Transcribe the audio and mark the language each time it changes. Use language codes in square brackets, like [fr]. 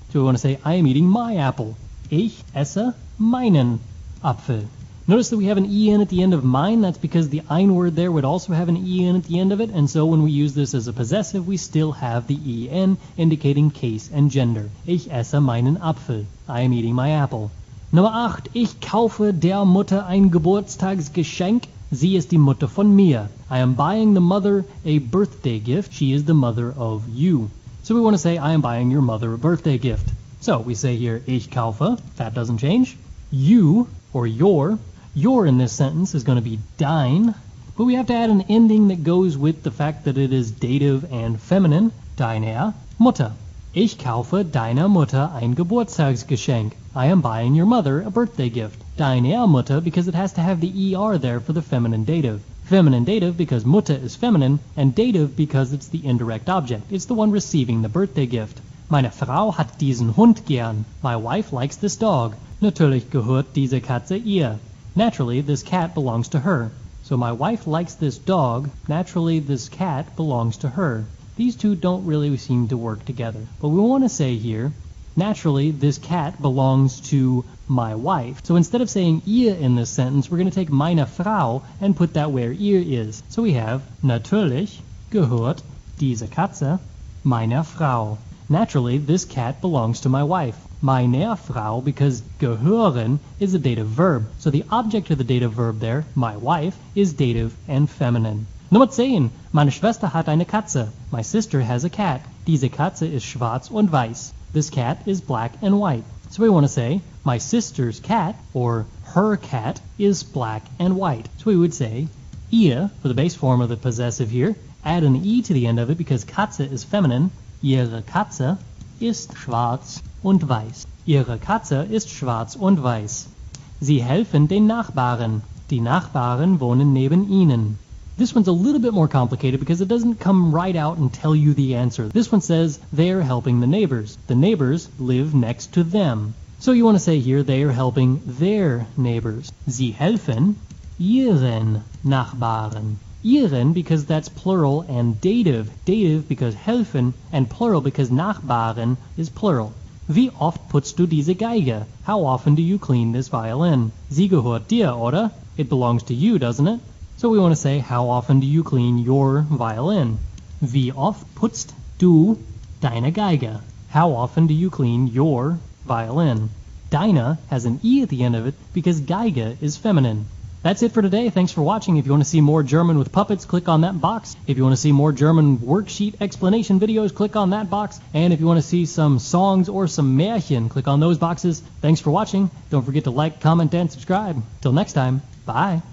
[en] So we want to say, I am eating my apple. [de] Ich esse meinen Apfel. [en] Notice that we have an EN at the end of mine. That's because the ein word there would also have an EN at the end of it. And so when we use this as a possessive, we still have the EN indicating case and gender. [de] Ich esse meinen Apfel. [en] I am eating my apple. [de] Nummer 8. Ich kaufe der Mutter ein Geburtstagsgeschenk. Sie ist die Mutter von mir. [en] I am buying the mother a birthday gift. She is the mother of you. So we want to say, I am buying your mother a birthday gift. So we say here, [de] ich kaufe. [en] That doesn't change. You, or your. Your in this sentence is going to be dein. But we have to add an ending that goes with the fact that it is dative and feminine. [de] Deiner Mutter. Ich kaufe deiner Mutter ein Geburtstagsgeschenk. [en] I am buying your mother a birthday gift. [de] Deiner Mutter, [en] because it has to have the ER there for the feminine dative. Feminine dative because Mutter is feminine, and dative because it's the indirect object. It's the one receiving the birthday gift. [de] Meine Frau hat diesen Hund gern. [en] My wife likes this dog. [de] Natürlich gehört diese Katze ihr. [en] Naturally, this cat belongs to her. So my wife likes this dog. Naturally, this cat belongs to her. These two don't really seem to work together. But we want to say here, naturally, this cat belongs to my wife. So instead of saying ihr in this sentence, we're going to take [de] meine Frau [en] and put that where ihr is. So we have, [de] natürlich gehört diese Katze meiner Frau. [en] Naturally, this cat belongs to my wife. [de] Meine Frau, [en] because gehören is a dative verb. So the object of the dative verb there, my wife, is dative and feminine. [de] Nummer 10. Meine Schwester hat eine Katze. [en] My sister has a cat. [de] Diese Katze ist schwarz und weiß. [en] This cat is black and white. So we want to say, my sister's cat, or her cat, is black and white. So we would say, ihr, for the base form of the possessive here, add an e to the end of it because Katze is feminine. [de] Ihre Katze ist schwarz und weiß. Ihre Katze ist schwarz und weiß. Sie helfen den Nachbarn. Die Nachbarn wohnen neben ihnen. [en] This one's a little bit more complicated because it doesn't come right out and tell you the answer. This one says, they are helping the neighbors. The neighbors live next to them. So you want to say here, they are helping their neighbors. [de] Sie helfen ihren Nachbarn. [en] Ihren, because that's plural, and dative. Dative because helfen, and plural because Nachbarn is plural. [de] Wie oft putzt du diese Geige? [en] How often do you clean this violin? [de] Sie gehört dir, oder? [en] It belongs to you, doesn't it? So we want to say, how often do you clean your violin? [de] Wie oft putzt du deine Geige? [en] How often do you clean your violin? Deine has an E at the end of it because Geige is feminine. That's it for today. Thanks for watching. If you want to see more German with puppets, click on that box. If you want to see more German worksheet explanation videos, click on that box. And if you want to see some songs or some Märchen, click on those boxes. Thanks for watching. Don't forget to like, comment, and subscribe. Till next time, bye.